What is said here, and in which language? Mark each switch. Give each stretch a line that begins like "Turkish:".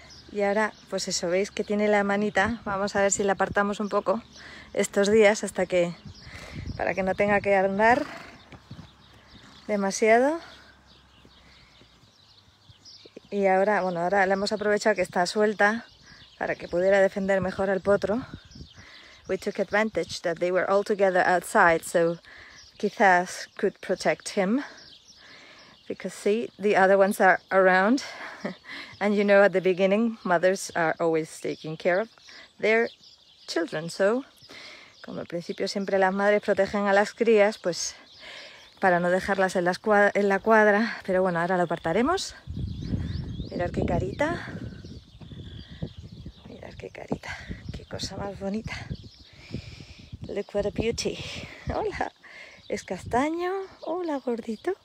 Spanish: Y ahora, pues eso, veis que tiene la manita. Vamos a ver si la apartamos un poco estos días hasta que, para que no tenga que andar demasiado. Y ahora, bueno, ahora la hemos aprovechado que está suelta para que pudiera defender mejor al potro.
English: We took advantage that they were all together outside, so quizás could protect him. Because see, the other ones are around. And you know, at the beginning, mothers are always taking care of their children.
Spanish: So, como al principio siempre las madres protegen a las crías, pues para no dejarlas en la cuadra. Pero bueno, ahora lo apartaremos. Mirad qué carita. Mirad qué carita. Qué cosa más bonita.
English: Look what a beauty.
Spanish: Hola. Es castaño. Hola, gordito.